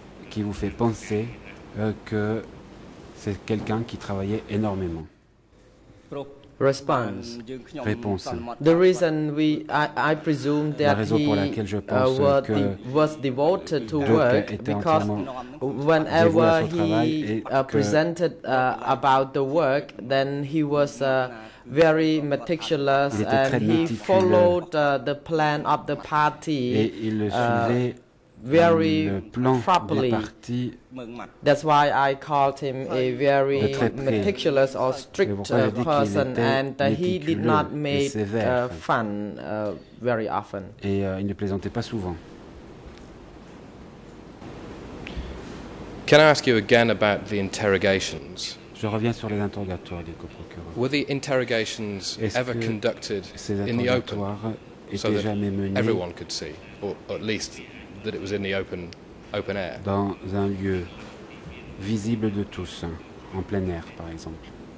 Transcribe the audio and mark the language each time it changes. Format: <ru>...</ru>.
<fr>Qui vous fait penser que c'est quelqu'un qui travaillait énormément?</fr> <en>Response. The reason I presume that he was devoted to work because whenever he presented about the work, then he was very meticulous and he followed the plan of the party very properly. That's why I called him a very meticulous or strict person, and he did not make fun very often.</en> <fr>Et il ne plaisantait pas souvent.</fr> <en>Can I ask you again about the interrogations?</en> <fr>Je reviens sur les interrogatoires, dit le procureur.</fr> <en>Were the interrogations ever conducted in the open, so</en> <fr>jamais</fr> <en>that</en> <fr>menés</fr> <en>everyone could see, or at least that it was in the open air.</en> <fr>Dans un lieu visible de tous, en plein air, par exemple.</fr>